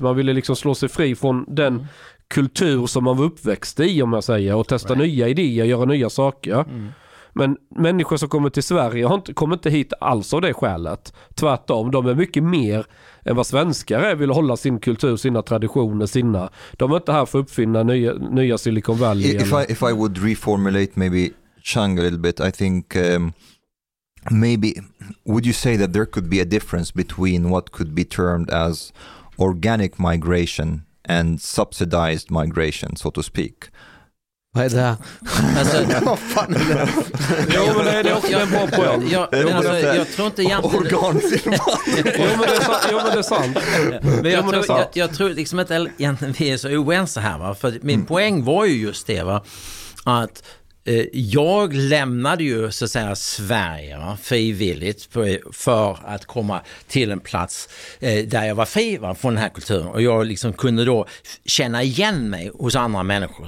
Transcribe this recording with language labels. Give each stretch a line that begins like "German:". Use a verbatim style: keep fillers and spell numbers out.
Swedish: Man ville liksom slå sig fri från den kultur som man var uppväxt i, om jag säger, och testa right. nya idéer, göra nya saker. Mm. Men människor som kommer till Sverige har inte, kommer inte hit alls av det skälet. Tvärtom, de är mycket mer än vad svenskar är, vill hålla sin kultur, sina traditioner, sina. De är inte här för att uppfinna nya, nya Silicon Valley.
English: If I, if I would reformulate maybe Chang a little bit, I think um, maybe would you say that there could be a difference between what could be termed as organic migration and subsidized migration, so to speak.
Swedish: Vad är det? Alltså, vad fan är det? Jo, men det är också en bra poäng. Jag, men alltså, jag tror inte egentligen... Jo, men det är sant. Jo, men det är sant. Men jag, tror, jag, jag tror liksom att egentligen vi är så oense här. Va? För min mm. poäng var ju just det, va? Att jag lämnade ju så att säga Sverige va, frivilligt för att komma till en plats där jag var fri va, från den här kulturen, och jag liksom kunde då känna igen mig hos andra människor.